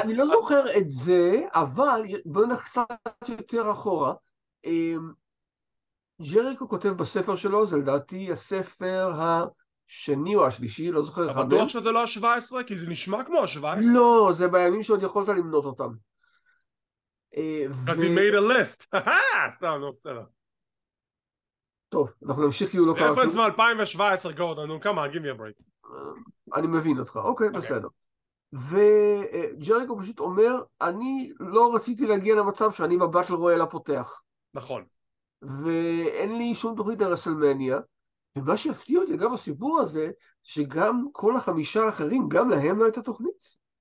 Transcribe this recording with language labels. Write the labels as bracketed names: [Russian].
[Hebrew] אני לא זוכר את זה, אבל בואו נחסת יותר אחורה. ג'ריקו כותב בספר שלו, זה לדעתי הספר ה... שני או השלישי, לא זוכר. אבל דוח שזה לא ה-17, כי זה נשמע כמו ה-17. לא, זה בימים שעוד יכולת למנות אותם. [English] אז he made a list. [Hebrew] סתם, נו, בסדר. טוב, אנחנו נמשיך, כי הוא לא קרה. איפה עצמה 2017, גורדון, נו, כמה, [English] give me a break. [Hebrew] אני מבין אותך, אוקיי, בסדר. וג'ריקו פשוט אומר, אני לא רציתי להגיע למצב שאני בבטל רויאל הפותח. נכון. ואין לי שום תוכנית לרסלמניה. ומה שהפתיע אותי, אגב, הסיפור הזה, שגם כל 5 האחרים, גם להם לא הייתה תוכנית.